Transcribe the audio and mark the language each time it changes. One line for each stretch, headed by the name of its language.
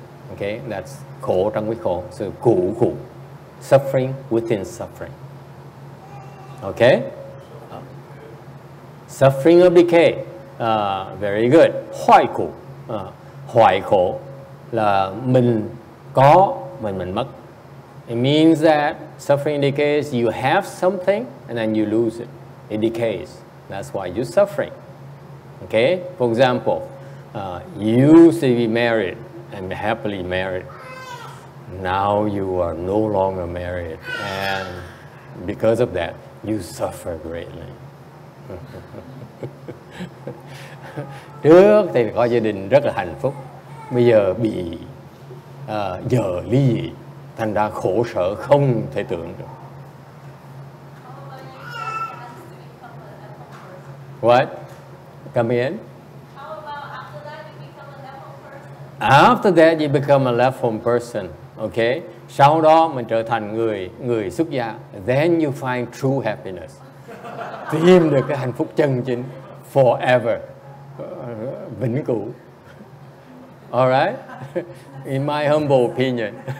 English: Okay, that's
Vietnamese: khổ trong cái khổ, sự khổ khổ,
English: suffering within suffering. Okay, suffering of decay, very good.
Vietnamese: Hoại khổ, hoại khổ là mình có mà mình mất.
English: It means that suffering decays, you have something and then you lose it. It decays. That's why you're suffering. Okay? For example, you used to be married and happily married. Now you are no longer married. And because of that, you suffer greatly.
Vietnamese: Trước thì có gia đình rất là hạnh phúc. Bây giờ bị vợ ly dị. Thành ra khổ sở không thể tưởng được.
English: What? Come in. After that you become a left home person. Okay.
Vietnamese: Sau đó mình trở thành người xuất gia.
English: Then you find true happiness.
Vietnamese: Tìm được cái hạnh phúc chân chính.
English: Forever.
Vietnamese: Vĩnh cửu.
English: Alright. In my humble opinion.